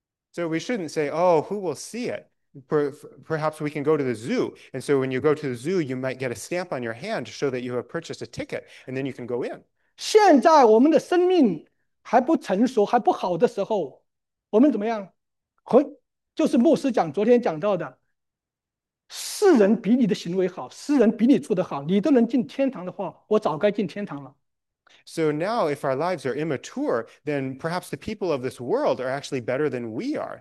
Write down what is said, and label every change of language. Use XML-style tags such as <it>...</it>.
<en>So we shouldn't say, oh, who will see it? Perhaps we can go to the zoo. And so when you go to the zoo, you might get a stamp on your hand to show that you have purchased a ticket, and then you can go in.</en> <zh>现在我们的生命还不成熟，还不好的时候。我们怎么样？和就是牧师讲，昨天讲到的，世人比你的行为好，世人比你做得好，你都能进天堂的话，我早该进天堂了。</zh> <en>So now, if our lives are immature, then perhaps the people of this world are actually better than we are.</en>